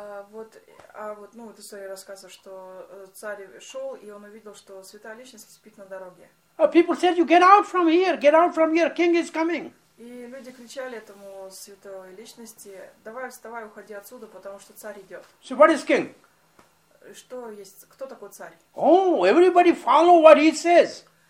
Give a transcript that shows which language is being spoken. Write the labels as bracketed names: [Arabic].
[Russian] Вот история рассказывает, что царь шел, и он увидел, что святая личность спит на дороге. [English] People said, you get out from here, king is coming. [Russian] И люди кричали этому святой личности, давай вставай, уходи отсюда, потому что царь идет. [English] So what is king? [Russian] Что есть? Кто такой царь? [English] Oh, everybody follow what he says.